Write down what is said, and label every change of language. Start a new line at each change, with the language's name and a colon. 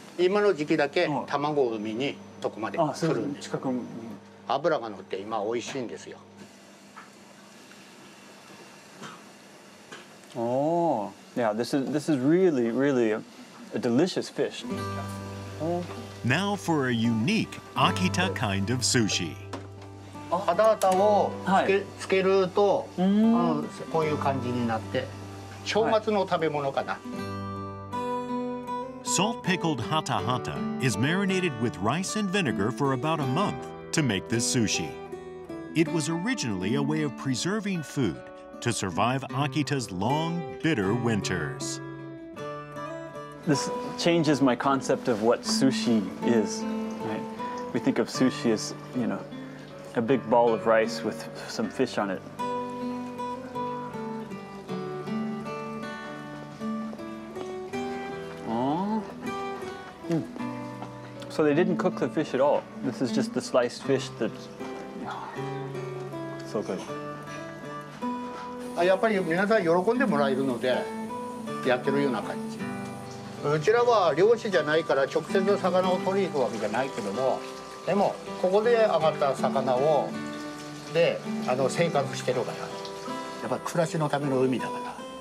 Japanese: 今の時期だけ卵を海にそこまで来るんです。近く。油が乗って今美味しいんですよ。
English: Oh, yeah, this is really, really a delicious fish. Now for a unique Akita kind of sushi.
Japanese: ハダータをつけると、こういう感じになって、正月の食べ物かな。
English: Salt-pickled hata hata is marinated with rice and vinegar for about a month to make this sushi. It was originally a way of preserving food to survive Akita's long, bitter winters. This changes my concept of what sushi is, right? We think of sushi as, you know, a big ball of rice with some fish on it. So they didn't cook the fish at all. This is just the sliced fish that's so good.
Japanese: やっぱり皆さん喜んでもらえるのでやってるような感じ。うちらは漁師じゃないから直接魚を取りに行くわけじゃないけども、でもここで揚がった魚をで生活してるから、やっぱり暮らしのための海だから。